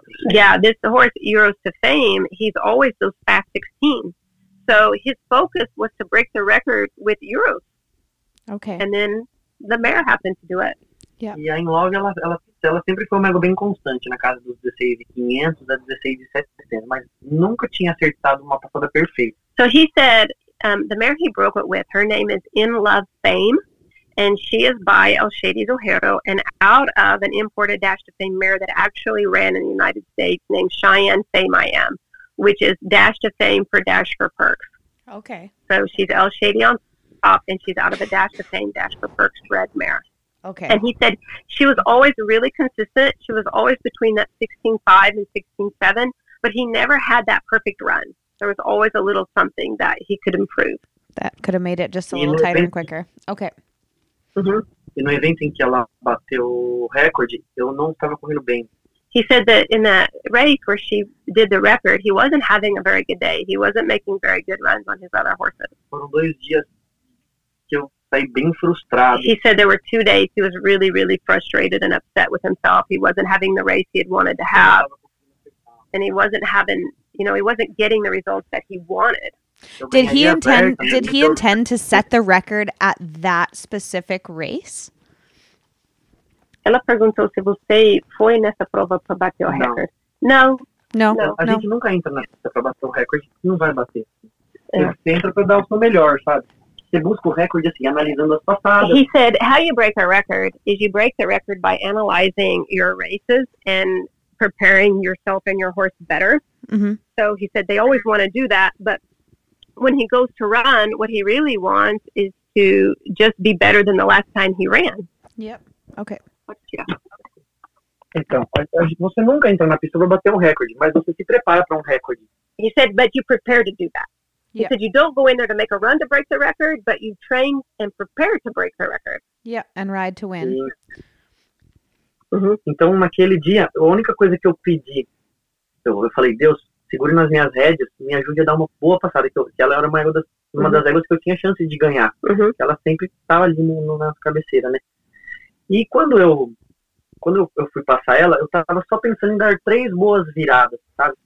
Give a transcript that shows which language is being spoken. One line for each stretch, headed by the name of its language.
English: Yeah, this horse, Euros to Fame, he's always those fast 16. So his focus was to break the record with Euros. Okay. And then the mare happened to do it. Yeah.
Portuguese: E aí logo ela sempre foi uma égua bem constante na casa dos 16.500 a 16.700, mas nunca tinha acertado uma passada perfeita.
English: So he said, the mare he broke it with, her name is In Love Fame, and she is by El Shady Zohero, and out of an imported Dash to Fame mare that actually ran in the United States named Cheyenne Fame I Am, which is Dash to Fame for Dash for Perks. Okay. So she's El Shady on top, and she's out of a Dash to Fame, Dash for Perks red mare. Okay. And he said she was always really consistent. She was always between that 16.5 and 16.7, but he never had that perfect run. There was always a little something that he could improve. That could have made it just a little tighter and quicker. Okay.
Portuguese: Mm-hmm. E no evento em que ela bateu o recorde, eu não estava correndo bem.
English: He said that in that race where she did the record, he wasn't having a very good day. He wasn't making very good runs on his other horses.
Portuguese: Foram 2 dias que eu saí bem frustrado.
English: He said there were 2 days he was really, really frustrated and upset with himself. He wasn't having the race he had wanted to have. And he wasn't having, you know, he wasn't getting the results that he wanted. Did he intend to set the record at that specific race?
Portuguese: Ela perguntou se você foi nessa prova para bater o recorde. Não. Não. A gente nunca entra nessa para bater o recorde, não vai bater. Você entra para dar o seu melhor, sabe? Você busca o recorde assim, analisando as passadas.
English: He said, how you break a record is you break the record by analyzing your races and preparing yourself and your horse better. Mm-hmm. So he said they always want to do that, but when he goes to run, what he really wants is to just be better than the last time he ran. Yep. Okay. Yeah.
Portuguese: Então, você nunca entra na pista para bater um recorde, mas você se prepara para um recorde.
English: He said, but you prepare to do that. Yeah. He said, you don't go in there to make a run to break the record, but you train and prepare to break the record. Yeah, and ride to win. Uhum.
Portuguese: Então, naquele dia, a única coisa que eu pedi, eu falei, Deus, segure nas minhas rédeas, me ajude a dar uma boa passada, que ela era uma das éguas que eu tinha chance de ganhar. Uhum. Ela sempre estava ali na cabeceira, né? E quando eu fui passar ela, eu tava só pensando em dar 3 boas viradas, sabe?